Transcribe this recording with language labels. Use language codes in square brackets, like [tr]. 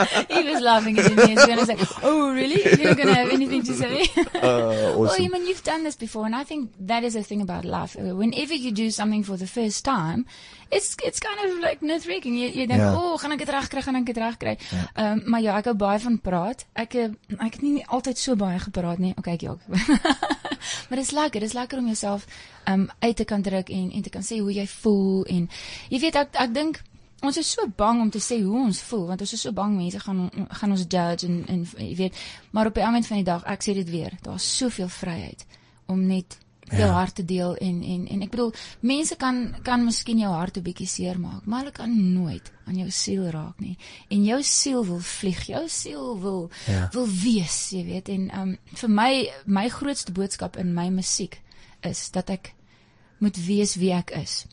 [en] He was laughing at me, and he was like, oh, really? You're going to have anything to say? Awesome. Well, I mean, you've done this before, and I think that is a thing about life. Whenever you do something for the first time, it's kind of like nerve-wracking. You think, yeah. [af] Oh, gaan ek dit reg kry? Maar ja, ek hou baie van praat. Ek het nie altyd so baie gepraat nie. Okay, ja. Maar dit is lekker. Dit is lekker om jouself uit te kan druk. En te kan sê hoe jy voel, en jy weet, ek dink ons is so bang om te sê hoe ons voel, want ons is so bang mense gaan ons judge, en jy weet, maar op die einde van die dag, ek sê dit weer, daar is soveel vryheid om net jou hart te deel, en ek bedoel, mense kan miskien jou hart 'n bietjie seer maak, maar hulle kan nooit aan jou siel raak nie, en jou siel wil vlieg, jou siel wil wees, jy weet, en vir my, my grootste boodskap in my musiek is dat ek moet wees wie ek is.